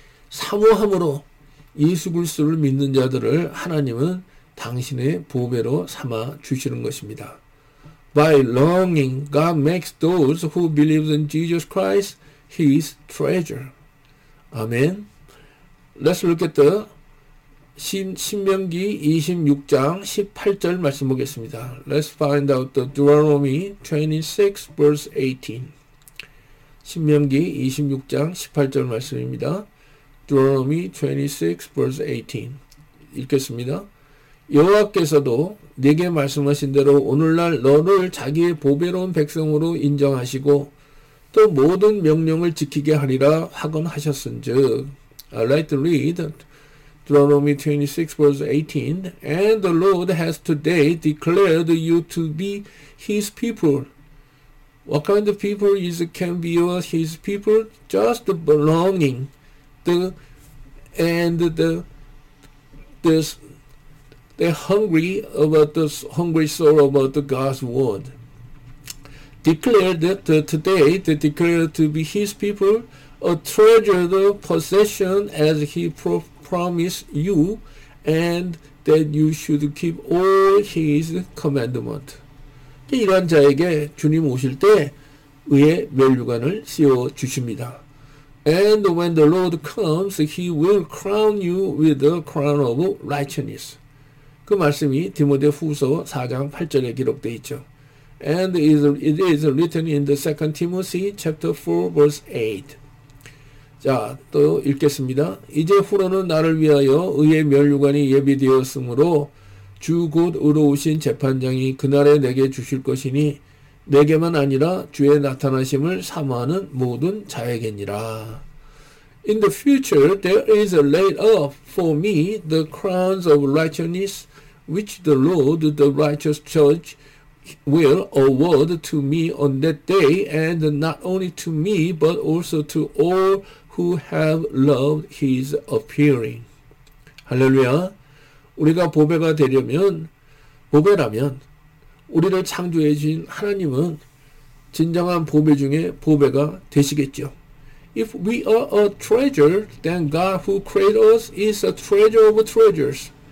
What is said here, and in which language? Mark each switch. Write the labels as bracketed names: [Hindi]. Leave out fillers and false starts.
[Korean] 사모함으로 예수 그리스도를 믿는 자들을 하나님은 당신의 보배로 삼아 주시는 것입니다. [English] By longing, God makes those who believe in Jesus Christ His treasure. [Korean] 아멘. [English] Let's look at the [Korean] 신명기 26장 18절 말씀 보겠습니다. [English] Let's find out the Deuteronomy 26 verse 18. [Korean] 신명기 26장 18절 말씀입니다. [English] Deuteronomy 26 verse 18 [Korean] 읽겠습니다. 여호와께서도 네게 말씀하신 대로 오늘날 너를 자기의 보배로운 백성으로 인정하시고 또 모든 명령을 지키게 하리라 확언하셨은즉. [English] I like to read Deuteronomy 26 verse 18. And the Lord has today declared you to be His people. What kind of people is can be His people? Just the belonging. They're hungry about God's word. Declared today to be His people a treasured possession as He promised you, and that you should keep all His commandment. [Korean] 이러한 자에게 주님 오실 때 의의 면류관을 씌워 주십니다. [English] And when the Lord comes, He will crown you with the crown of righteousness. [Korean] 그 말씀이 디모데 후서 4장 8절에 기록되어 있죠. [English] And it is written in the 2 Timothy chapter 4 verse 8. [Korean] 자, 또 읽겠습니다. 이제 후로는 나를 위하여 의의 면류관이 예비되었으므로 주 곧 의로우신 재판장이 그날에 내게 주실 것이니 내게만 아니라 주의 나타나심을 사모하는 모든 자에게니라. [English] In the future, there is laid up for me the crowns of righteousness which the Lord, the righteous judge, will award to me on that day, and not only to me, but also to all who have loved His appearing. [Korean] 할렐루야. 우리가 보배가 되려면, 보배라면, 우리를 창조해 주신 하나님은 진정한 보배 중에 보배가 되시겠죠. [English] If we are a treasure, then God who created us is a treasure of treasures.